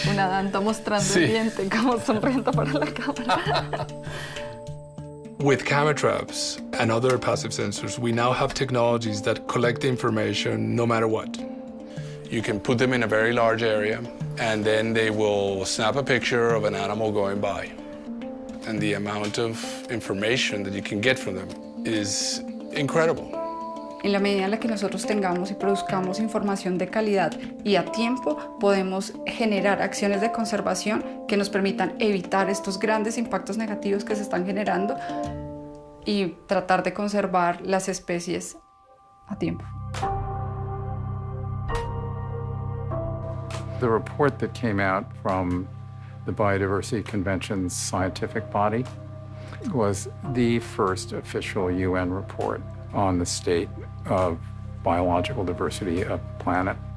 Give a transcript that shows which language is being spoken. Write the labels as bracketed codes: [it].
[es] Una danta mostrando sí. El diente como sonriendo para la cámara. [en] With camera traps and other passive sensors, we now have technologies that collect information no matter what. You can put them in a very large area, and then they will snap a picture of an animal going by. And the amount of information that you can get from them is incredible. [es] En la medida en la que nosotros tengamos y produzcamos información de calidad y a tiempo, podemos generar acciones de conservación que nos permitan evitar estos grandes impactos negativos que se están generando y tratar de conservar las especies a tiempo. [en] The report that came out from the Biodiversity Convention's scientific body was the first official UN report on the state of biological diversity of the planet.